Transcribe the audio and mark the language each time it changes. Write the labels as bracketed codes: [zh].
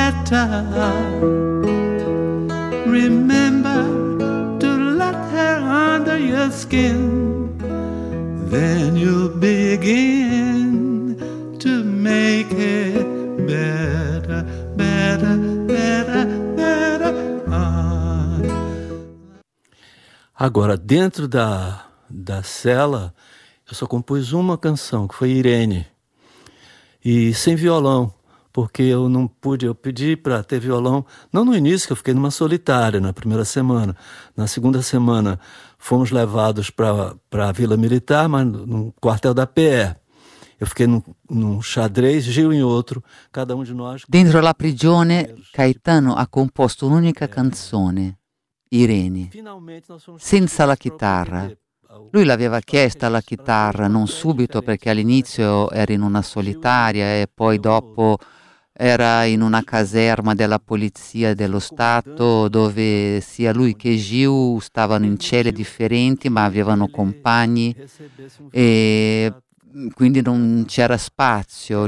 [en] Remember to let her under your skin, then you'll begin to make it better, better, better, better. Ah. [pt] Agora, dentro da cela, eu só compus uma canção, que foi Irene, e sem violão. Porque eu não pude, eu pedi para ter violão, não no início, que eu fiquei numa solitária na primeira semana. Na segunda semana, fomos levados para a Vila Militar, mas no quartel da PE. Eu fiquei num xadrez, Gil em outro, cada um de nós. [it] Dentro da prigione, Caetano ha composto un'unica canzone, Irene, senza la chitarra. Lui l'aveva chiesta la chitarra, non subito, perché all'inizio era in una solitaria e poi dopo era in una caserma della polizia dello Stato, dove sia lui che Gil stavano in celle differenti, ma avevano compagni e quindi non c'era spazio.